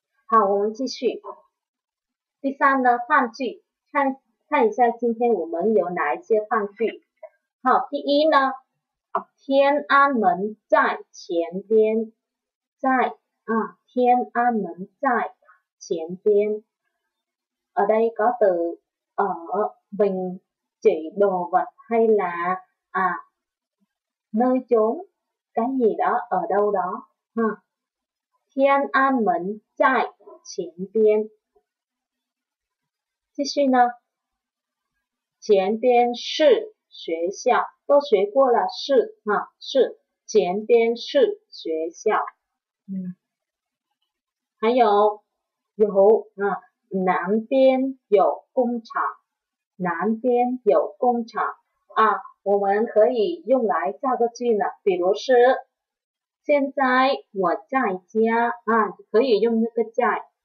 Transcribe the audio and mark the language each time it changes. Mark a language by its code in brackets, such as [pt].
[zh] 好，我们继续。第三呢，范句，看一下今天我们有哪一些范句。好，第一呢，天安门在前边，在啊，天安门在前边。 [vi] Ở đây có từ ở bình chỉ đồ vật hay là à nơi chốn cái gì đó ở đâu đó. Ha, Thiên An Môn tại [zh] 前边。继续呢，前边是学校，都学过了，是啊，是前边是学校。嗯，还有有啊，南边有工厂，南边有工厂啊，我们可以用来造个句呢，比如是现在我在家啊，可以用那个在。